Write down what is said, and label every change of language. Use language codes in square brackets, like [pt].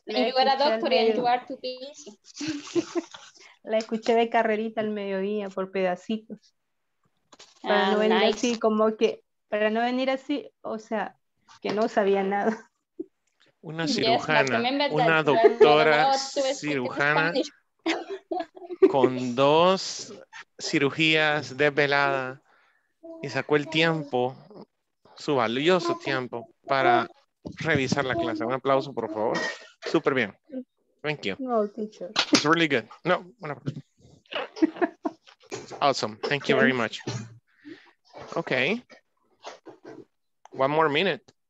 [en] And you were a doctor and you are too busy. [es] La escuché de carrerita al mediodía por pedacitos. Para no venir nice. Así, como que, para no venir así, o sea, que no sabía nada. Una cirujana, yes, una doctora cirujana. Con dos cirugías desvelada y sacó el tiempo, su valioso tiempo, para revisar la clase. Un aplauso, por favor. Súper bien. [en] Thank you. No, teacher. It's really good. No, whatever. Awesome. Thank you very much. Okay. One more minute.